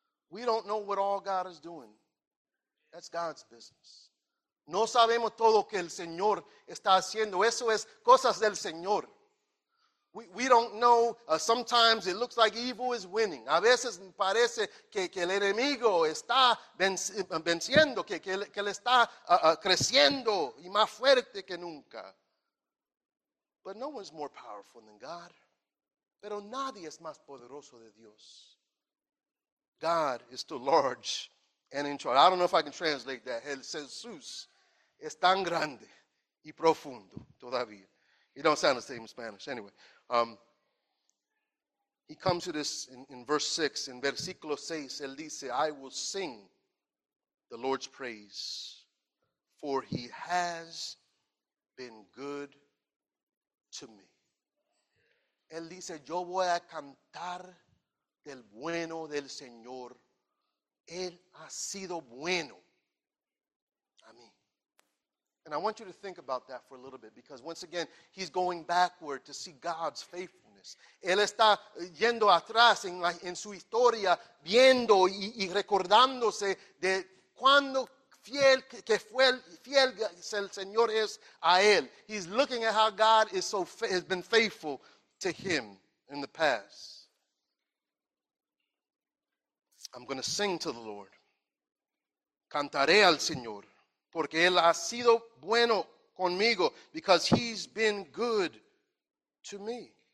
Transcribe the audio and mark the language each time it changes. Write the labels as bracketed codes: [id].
[en] We don't know what all God is doing. That's God's business. [es] No sabemos todo lo que el Señor está haciendo. Eso es cosas del Señor. [en] We don't know. Sometimes it looks like evil is winning. [es] A veces parece que el enemigo está venciendo, que él está creciendo y más fuerte que nunca. [en] But no one's more powerful than God. [es] Pero nadie es más poderoso de Dios. [en] God is too large and in charge. I don't know if I can translate that. [es] El Jesús es tan grande y profundo todavía. [en] It don't sound the same in Spanish. Anyway, he comes to this in verse 6. In [es] versículo 6, él dice, [en] I will sing the Lord's praise, for he has been good to me. [es] Él dice, yo voy a cantar del bueno del Señor. Él ha sido bueno a mí. [en] And I want you to think about that for a little bit, because once again, he's going backward to see God's faithfulness. [es] Él está yendo atrás en su historia, viendo y recordándose de cuando fiel que fue fiel el Señor es a él. [en] He's looking at how God is so has been faithful to him in the past. I'm going to sing to the Lord. [es] Cantaré al Señor. Porque él ha sido bueno conmigo. [en] Because he's been good to me.